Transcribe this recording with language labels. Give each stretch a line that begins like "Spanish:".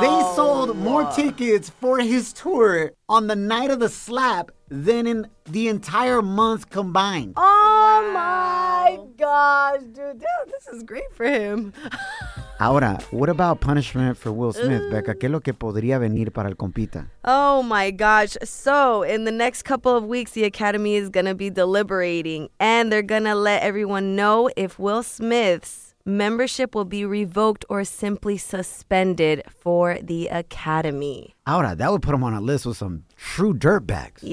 English: They sold more tickets for his tour on the night of the slap than in the entire month combined. Oh, my gosh, dude. Dude, this is great for him. Ahora, what about punishment for Will Smith, Becca?
Spanish: ¿Qué es lo que podría venir para el compita?
English: Oh, my gosh. So, in the next couple of weeks, the Academy is going to be deliberating, and they're going to let everyone know if Will Smith's membership will be revoked or simply suspended for the Academy. Ahora, that would put him on a list with some true dirtbags.